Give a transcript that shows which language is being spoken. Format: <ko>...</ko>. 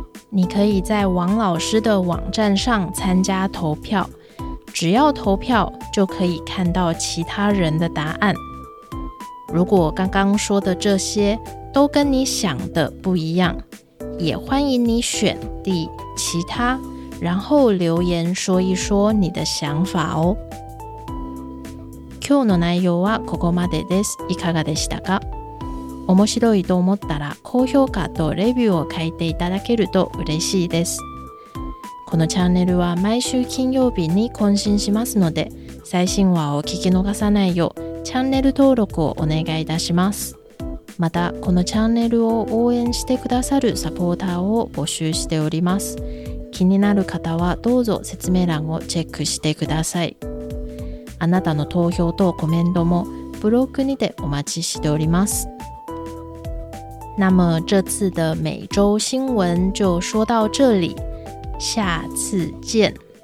<zh>你可以在王老师的网站上参加投票，只要投票就可以看到其他人的答案。如果刚刚说的这些都跟你想的不一样，也欢迎你选第其他，然后留言说一说你的想法哦。</zh> <ja>今日の内容はここまでです。いかがでしたか？面白いと思ったら高評価とレビューを書いていただけると嬉しいです。このチャンネルは毎週金曜日に更新しますので、最新話を聞き逃さないようチャンネル登録をお願いいたします。またこのチャンネルを応援してくださるサポーターを募集しております。気になる方はどうぞ説明欄をチェックしてください。あなたの投票とコメントもブログにてお待ちしております。</ja> <zh>那么这次的每周新闻就说到这里，下次见。</zh>